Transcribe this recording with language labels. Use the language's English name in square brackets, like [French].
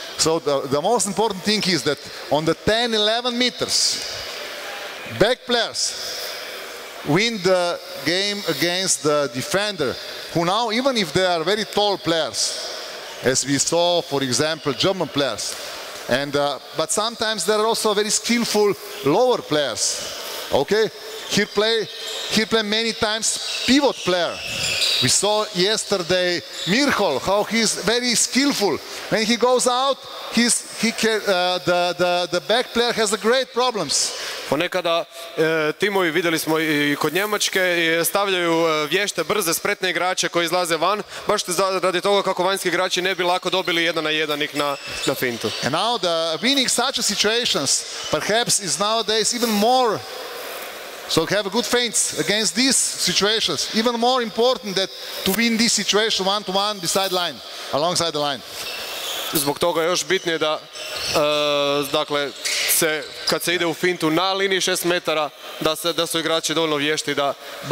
[English] So, the most important thing is that on the 10-11 meters, back players win the game against the defender, who now, even if they are very tall players, as we saw, for example, German players, but sometimes there are also very skillful lower players. Okay, here play many times pivot player. We saw yesterday Mirkol, how he's very skillful. When he goes out, the back player has a great problems. [Bosnian] Ponekada timovi, vidjeli smo i kod Njemačke, stavljaju vješte, brze, spretne igrače koji izlaze van, baš radi toga kako vanjski igrači ne bi lako dobili jedan na jedan ih na fintu. [English] And now the winning such situations perhaps is nowadays even more. So have a good feints against these situations. Even more important that to win this situation one to one beside line, alongside the line. [Bosnian] Zbog toga je još bitnije da, dakle, se, kad se ide u fintu na liniji 6 metara, da su igrači dovoljno vješti da riješe.